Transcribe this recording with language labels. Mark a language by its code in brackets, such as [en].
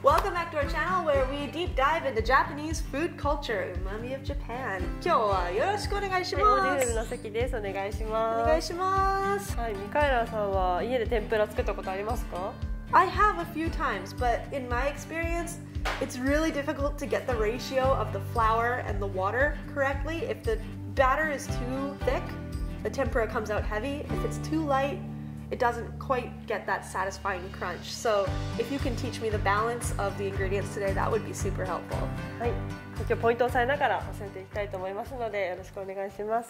[en] Welcome back to our channel where we deep dive into Japanese food culture, UMAMI of Japan. [ja] 今日はよろしくお願いします。プロデューサーの関です。お願いします。お願いします。はい、ミカエラさんは家で天ぷら作ったことありますか? [en] I have a few times, but in my experience,It's really difficult to get the ratio of the flour and the water correctly. If the batter is too thick, the tempura comes out heavy. If it's too light, it doesn't quite get that satisfying crunch. So if you can teach me the balance of the ingredients today, that would be super helpful. [ja] はい、今日ポイントを押さえながら教えていきたいと思いますので、よろしくお願いします。